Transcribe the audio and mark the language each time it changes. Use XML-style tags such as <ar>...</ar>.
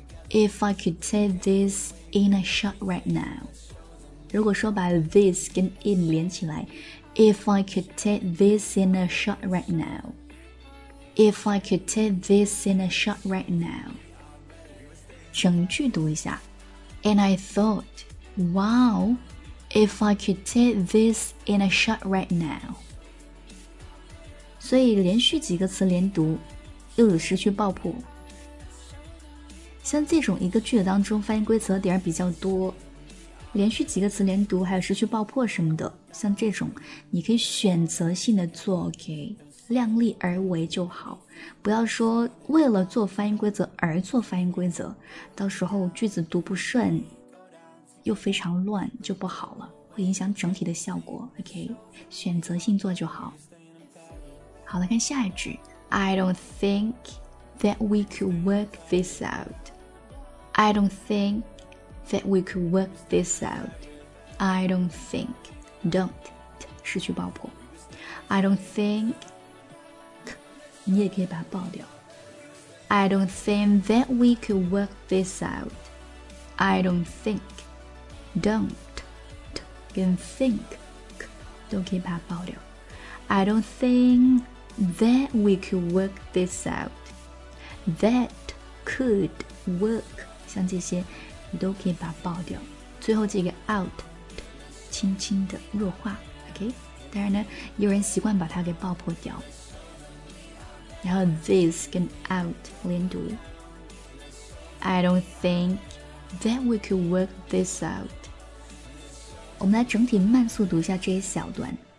<en>If I could say this in a shot right now，</en> <zh>如果说把 this 跟 in 连起来</zh> <en>，If I could say this in a shot right now， If I could say this in a shot right now，</en> <zh>整句读一下。</zh> <en>And I thought， wow。 If I could take this in a shot right now.</en> <zh>所以连续几个词连读又有失去爆破。像这种一个句子当中发音规则点比较多，连续几个词连读还有失去爆破什么的，像这种你可以选择性的做 OK， 量力而为就好，不要说为了做发音规则而做发音规则，到时候句子读不顺又非常乱就不好了，会影响整体的效果。 OK， 选择性做就好。好了，看下一句。</zh> <en>I don't think that we could work this out. I don't think that we could work this out. I don't think.</en> <zh>Don't 失去爆破。</zh> <en>I don't think，</en> <zh>你也可以把它爆掉。</zh> <en>I don't think that we could work this out. I don't thinkDon't</en> <zh>跟 think 都可以把它爆掉。</zh> <en>I don't think that we could work this out. That could work，</en> <zh>像这些都可以把它爆掉，最后这个 out 轻轻的弱化。 OK， 当然呢有人习惯把它给爆破掉，然后 this 跟 out 连读。</zh> <en>I don't think that we could work this out。</en> <zh>我们来整体慢速读一下这一小段。</zh>